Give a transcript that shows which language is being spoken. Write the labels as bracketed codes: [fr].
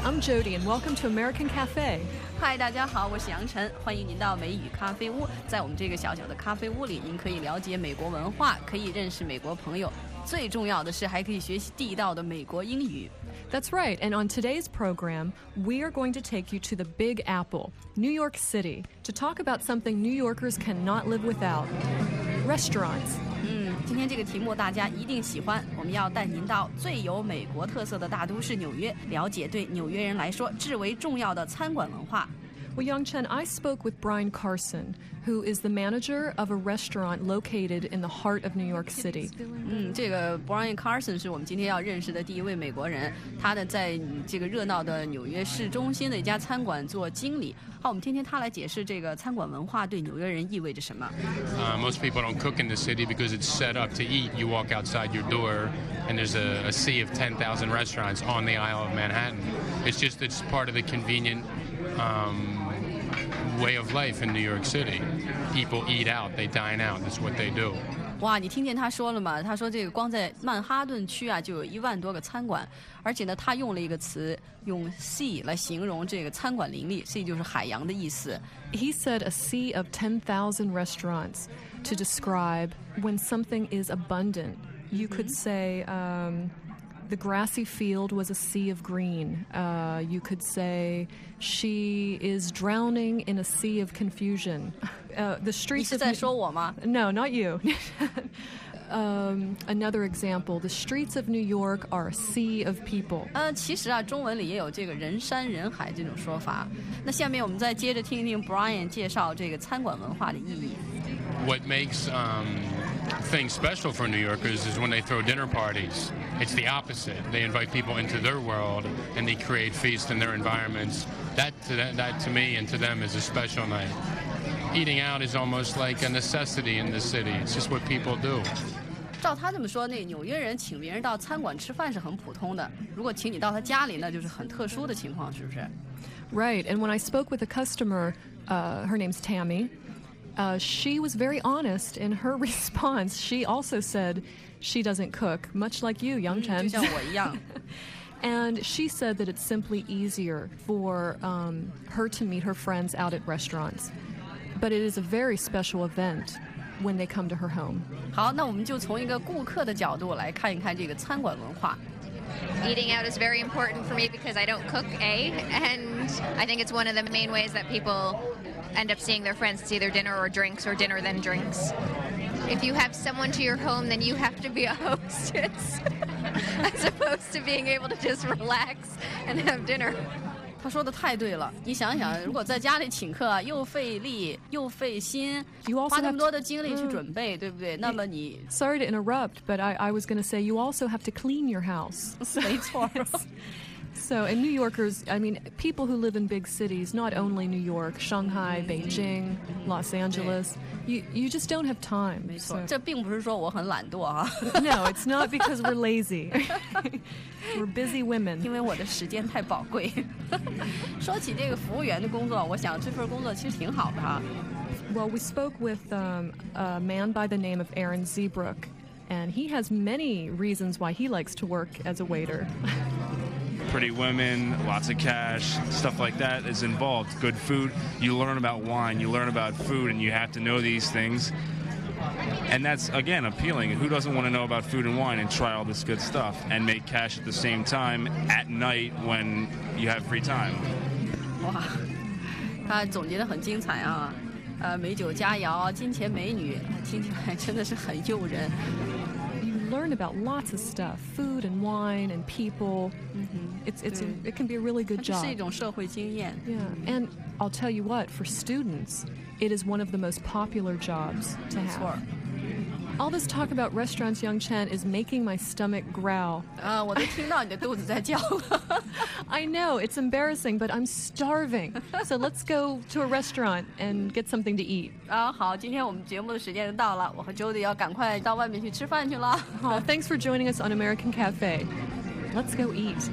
[en] I'm Jody, and welcome to American Cafe. [zh] Hi, 大家好，我是杨晨，欢迎您到美语咖啡屋。在我们这个小小的咖啡屋里，您可以了解美国文化，可以认识美国朋友，最重要的是还可以学习地道的美国英语。 [en] That's right. And on today's program, we are going to take you to the Big Apple, New York City, to talk about something New Yorkers cannot live without: restaurants. [zh] 今天这个题目大家一定喜欢，我们要带您到最有美国特色的大都市纽约，了解对纽约人来说至为重要的餐馆文化。 [en] Well, Yangchen, I spoke with Brian Carson, who is the manager of a restaurant located in the heart of New York City. [zh] 这个 Brian Carson 是我们今天要认识的第一位美国人，他的在这个热闹的纽约市中心的一家餐馆做经理。好，我们听听他来解释这个餐馆文化对纽约人意味着什么。 [en] Most people don't cook in the city because it's set up to eat. You walk outside your door, and there's a sea of 10,000 restaurants on the Isle of Manhattan. It's part of the convenient... way of life in New York City. People eat out, they dine out, that's what they do. [zh] 哇，你听见他说了吗？他说这个光在曼哈顿区啊，就有10,000多个餐馆，而且呢，他用了一个词，用 sea 来形容这个餐馆林立， sea 就是海洋的意思。 [en] He said a sea of 10,000 restaurants to describe when something is abundant. You could say, the grassy field was a sea of green. You could say she is drowning in a sea of confusion. The streets. [zh] 你是在说我吗？ [en] No, not you. another example: the streets of New York are a sea of people. [zh] 其实啊，中文里也有这个人山人海这种说法。那下面我们再接着听一听 Brian 介绍这个餐馆文化的意义。 [en] What makes things special for New Yorkers is when they throw dinner parties. It's the opposite. They invite people into their world and they create feasts in their environments. That to me and to them is a special night. Eating out is almost like a necessity in the city. It's just what people do. [zh] 照他这么说，那纽约人请别人到餐馆吃饭是很普通的，如果请你到他家里，那就是很特殊的情况，是不是？ [en] Right, and when I spoke with a customer, her name's Tammy, she was very honest in her response. She also said she doesn't cook, much like you, Yangchen. [zh] 就像我一样。 [en] And she said that it's simply easier for her to meet her friends out at restaurants. But it is a very special event. When they come to her home. [zh] 好，那我们就从一个顾客的角度来看一看这个餐馆文化。 [en] Eating out is very important for me because I don't cook, and I think it's one of the main ways that people end up seeing their friends. It's either dinner or drinks, or dinner then drinks. If you have someone to your home, then you have to be a hostess, as opposed to being able to just relax and have dinner. [zh] 他说的太对了，你想想，如果在家里请客，又费力又费心，花那么多的精力去准备，对不对？那么你 [en] Sorry to interrupt, but I was going to say you also have to clean your house. [zh] 没错。 [en] So, and New Yorkers, I mean, people who live in big cities, not only New York, Shanghai, Beijing, Los Angeles, you just don't have time. [zh] 没错，这并不是说我很懒惰啊。 [en] No, it's not because we're lazy. We're busy women. [zh] 因为我的时间太宝贵。说起这个服务员的工作，我想这份工作其实挺好的啊。 [en] Well, we spoke with a man by the name of Aaron Zeebrook, and he has many reasons why he likes to work as a waiter. Pretty women, lots of cash, stuff like that is involved. Good food. You learn about wine, you learn about food, and you have to know these things. And that's, again, appealing. Who doesn't want to know about food and wine and try all this good stuff and make cash at the same time at night when you have free time? [zh] Wow, 他总结得很精彩啊。美酒佳肴，金钱美女，听起来真的是很诱人。 [en] Learn about lots of stuff, food and wine and people. Mm-hmm. It can be a really good job. [zh] 它是一种社会经验。 [en] Yeah, and I'll tell you what, for students, it is one of the most popular jobs to have. All this talk about restaurants, Yangchen, is making my stomach growl. [zh] 我都听到你的肚子在叫了。 [en] I know, it's embarrassing, but I'm starving. So let's go to a restaurant and get something to eat. [zh] 好，今天我们节目的时间就到了，我和 Jody 要赶快到外面去吃饭去了。 [en] 好，thanks for joining us on American Cafe. Let's go eat.